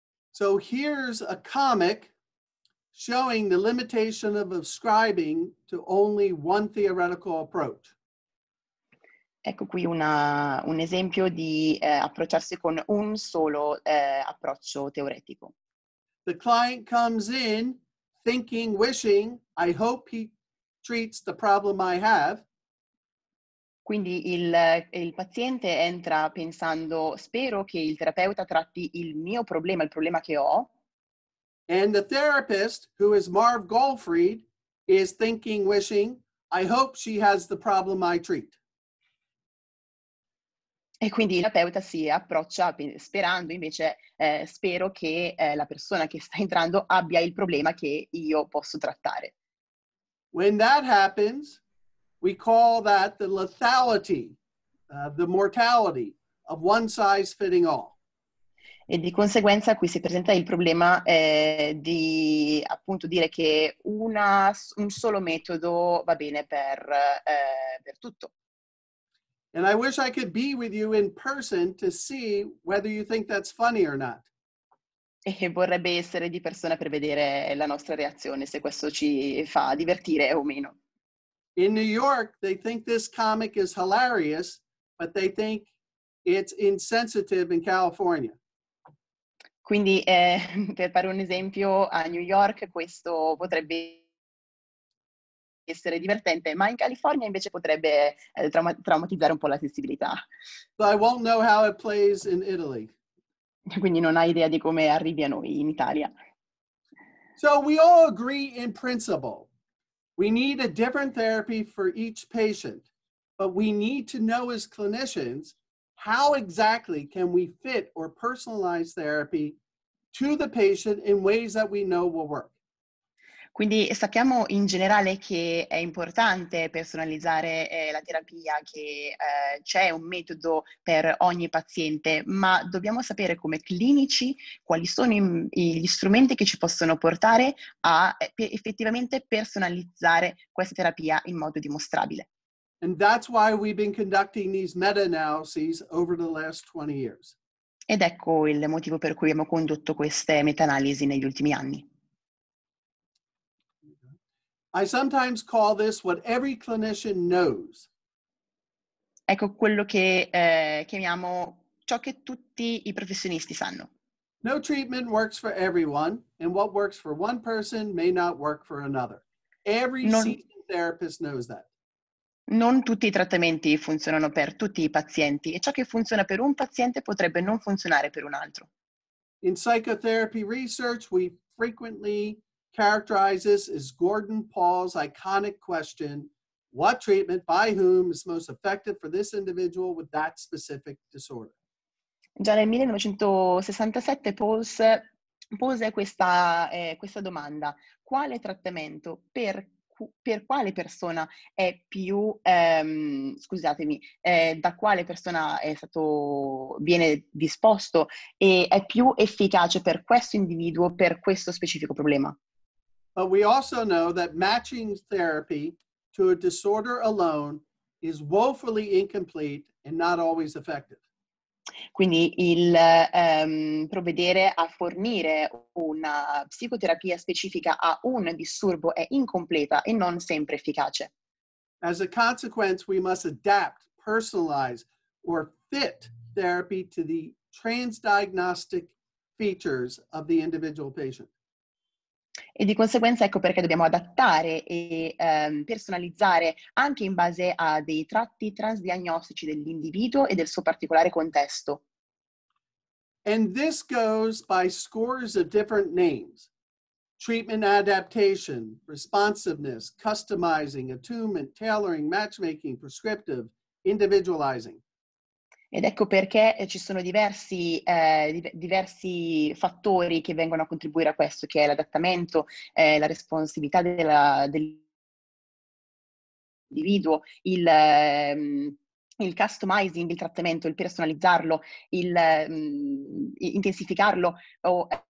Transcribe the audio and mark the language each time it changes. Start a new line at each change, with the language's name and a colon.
English: So here's a comic showing the limitation of ascribing to only one theoretical approach.
Italian: Ecco qui un esempio di approcciarsi con un solo approccio teoretico.
English: The client comes in thinking, wishing, I hope he treats the problem I have.
Italian: Quindi il paziente entra pensando, spero che il terapeuta tratti il mio problema, il problema che ho.
English: And the therapist, who is Marv Goldfried, is thinking, wishing, I hope she has the problem I treat.
Italian: E quindi il terapeuta si approccia sperando, invece, spero che la persona che sta entrando abbia il problema che io posso trattare.
English: When that happens, we call that the lethality, the mortality of one size fitting all.
Italian: E di conseguenza qui si presenta il problema di appunto dire che un solo metodo va bene per tutto.
English: And I wish I could be with you in person to see whether you think that's funny or not.
Italian: E vorrebbe essere di persona per vedere la nostra reazione, se questo ci fa divertire o meno.
English: In New York, they think this comic is hilarious, but they think it's insensitive in California.
Italian: Quindi, per fare un esempio, a New York questo potrebbe essere divertente, ma in California invece potrebbe traumatizzare un po' la sensibilità.
English: But I won't know how it plays in Italy.
Italian: Quindi non ha idea di come arrivi a noi in Italia.
English: So we all agree in principle. We need a different therapy for each patient, but we need to know as clinicians how exactly can we fit or personalize therapy to the patient in ways that we know will work.
Italian: Quindi sappiamo in generale che è importante personalizzare la terapia, che c'è un metodo per ogni paziente, ma dobbiamo sapere come clinici quali sono gli strumenti che ci possono portare a effettivamente personalizzare questa terapia in modo dimostrabile.
English: And that's why we've been conducting these meta-analyses over the last 20 years.
Italian: Ed ecco il motivo per cui abbiamo condotto queste meta-analisi negli ultimi anni.
English: I sometimes call this what every clinician knows.
Italian: Ecco quello che chiamiamo ciò che tutti i professionisti sanno.
English: No treatment works for everyone, and what works for one person may not work for another. Seasoned therapist knows that.
Italian: Non tutti i trattamenti funzionano per tutti i pazienti, e ciò che funziona per un paziente potrebbe non funzionare per un altro.
English: In psychotherapy research, we frequently characterizes is Gordon Paul's iconic question, what treatment by whom is most effective for this individual with that specific disorder?
Italian: Già nel 1967 Paul pose questa domanda, quale trattamento per quale persona è più, da quale persona viene disposto e è più efficace per questo individuo, per questo specifico problema?
English: But we also know that matching therapy to a disorder alone is woefully incomplete and not always effective.
Italian: Quindi il provvedere a fornire una psicoterapia specifica a un disturbo è incompleta e non sempre efficace.
English: As a consequence, we must adapt, personalize, or fit therapy to the transdiagnostic features of the individual patient.
Italian: E di conseguenza ecco perché dobbiamo adattare e personalizzare anche in base a dei tratti transdiagnostici dell'individuo e del suo particolare contesto.
English: And this goes by scores of different names: treatment adaptation, responsiveness, customizing, attunement, tailoring, matchmaking, prescriptive, individualizing.
Italian: Ed ecco perché ci sono diversi fattori che vengono a contribuire a questo, che è l'adattamento, la responsabilità dell'individuo, il customizing, il trattamento, il personalizzarlo, il intensificarlo, o